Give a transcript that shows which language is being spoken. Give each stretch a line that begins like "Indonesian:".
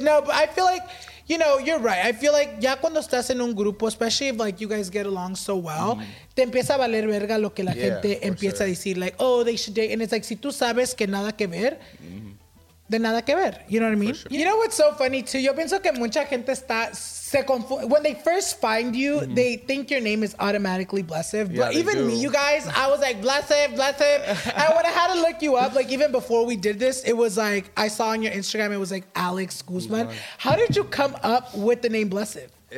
English: No, but I feel like, you know, you're right. I feel like
Spanish: ya cuando estás en un grupo,
English: especially if, like, you guys get along so well,
Spanish: te empieza a valer verga lo que la gente empieza a decir.
English: Like, oh, they should date. And it's like,
Spanish: si tú sabes que nada que ver,
English: de nada que ver, you know what I mean? Sure. You know what's so funny too?
Spanish: Yo pienso que mucha gente está se confunde.
English: When they first find you, they think your name is automatically Blesiv. Yeah, but even me, you guys, I was like, Blesiv. And when I had to look you up, like even before we did this, it was like, I saw on your Instagram, it was like Alex Guzman. How did you come up with the name Blesiv?